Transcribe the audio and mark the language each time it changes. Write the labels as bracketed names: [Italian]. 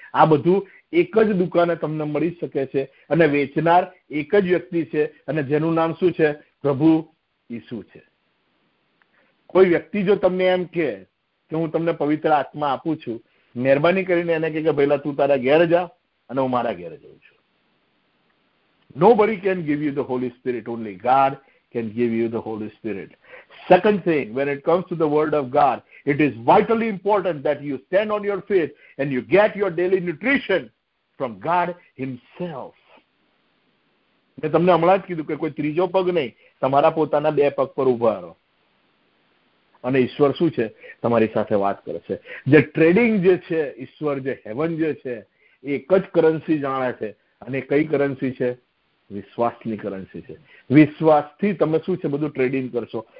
[Gujarati] આ બધું એક જ દુકાને તમને મળી શકે છે અને વેચનાર એક જ વ્યક્તિ છે અને જેનું નામ શું છે? પ્રભુ ઈસુ છે. કોઈ વ્યક્તિ જો તમને એમ કહે કે હું તમને પવિત્ર આત્મા આપું છું, મહેરબાની કરીને એને કહે કે પહેલા તું તારા ઘેર જા અને હું મારા ઘેર જઉં છું. [English] Nobody can give you the Holy Spirit. Only God can give you the Holy Spirit. Second thing, when it comes to the Word of God, it is vitally important that you stand on your feet and you get your daily nutrition from God Himself. [Gujarati] મે તમને હમણાં જ કીધું કે કોઈ ત્રીજો પગ નહીં, તમારા પોતાના બે પગ પર ઉભા રહો અને ઈશ્વર શું છે? તમારી સાથે વાત કરે છે. જે ટ્રેડિંગ જે છે, ઈશ્વર જે હેવન જે છે, એ એક જ કરન્સી જાણે છે. અને કઈ કરન્સી છે? વિશ્વાસની કરન્સી છે. વિશ્વાસથી તમે શું છે? બધું ટ્રેડિંગ કરશો.